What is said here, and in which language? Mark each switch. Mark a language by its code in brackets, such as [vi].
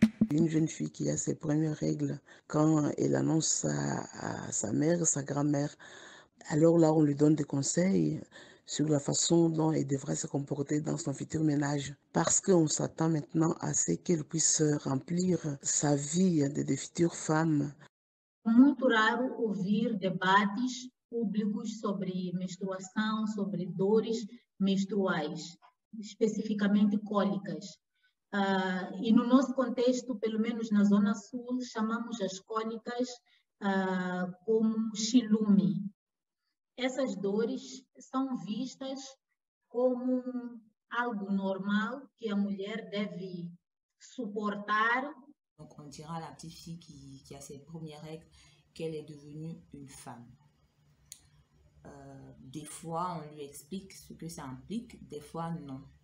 [fr] une jeune fille qui a ses premières règles, quand elle annonce ça à sa mère, sa grand-mère, alors là, on lui donne des conseils sur la façon dont elle devra se comporter dans son futur ménage. Parce qu'on s'attend maintenant à ce qu'elle puisse remplir sa vie de futures femmes. [pt] Muito raro ouvir debates públicos sobre menstruação, sobre dores menstruais, especificamente cólicas. E no nosso contexto, pelo menos na Zona Sul, chamamos as cólicas como chilume. Essas dores são vistas como algo normal que a mulher deve suportar. [fr] Donc on dira à la petite fille qui a ses premières règles qu'elle est devenue une femme. Des fois, on lui explique ce que ça implique, des fois, non.